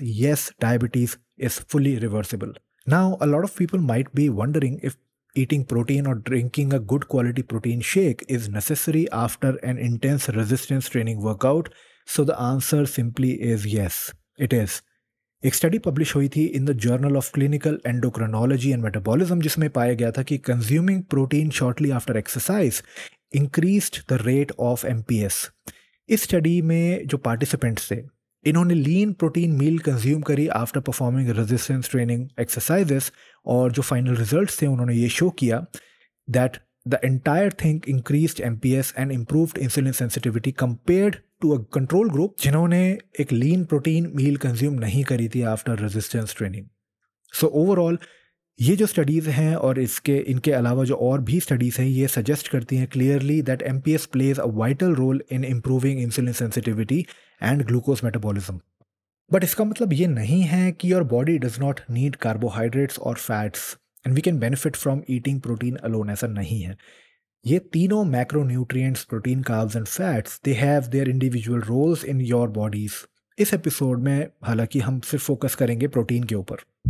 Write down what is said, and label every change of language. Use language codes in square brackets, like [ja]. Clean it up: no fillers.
[en] Yes, diabetes is fully reversible. Now, a lot of people might be wondering if eating protein or drinking a good quality protein shake is necessary after an intense resistance training workout. So the answer simply is yes, it is. [hi] Ek [en] study published [hi] hui thi [en] in the Journal of Clinical Endocrinology and Metabolism, [hi] jisme paya gaya tha ki [en] consuming protein shortly after exercise increased the rate of MPS. [hi] Is study mein jo participants the, इन्होंने [en] lean protein meal consume [hi] करी [en] after performing resistance training exercises, [hi] और जो [en] final results [hi] थे उन्होंने ये show किया [en] that The entire thing increased MPS and improved insulin sensitivity compared to a control group [hi] जिन्होंने एक [en] lean protein meal consume [hi] नहीं करी थी [en] after resistance training. So overall, [hi] ये जो [en] studies [hi] हैं और इसके इनके अलावा जो और भी [en] studies [hi] हैं ये [en] suggest [hi] करती हैं [en] clearly that MPS plays a vital role in improving insulin sensitivity and glucose metabolism. But [hi] इसका मतलब ये नहीं है कि [en] your body does not need carbohydrates or fats. And we can benefit from eating protein alone. [hi] ऐसा नहीं है. ये तीनों [en] macronutrients, protein, carbs and fats, they have their individual roles in your bodies. [hi] इस episode में हालांकि हम सिर्फ focus करेंगे protein के ऊपर.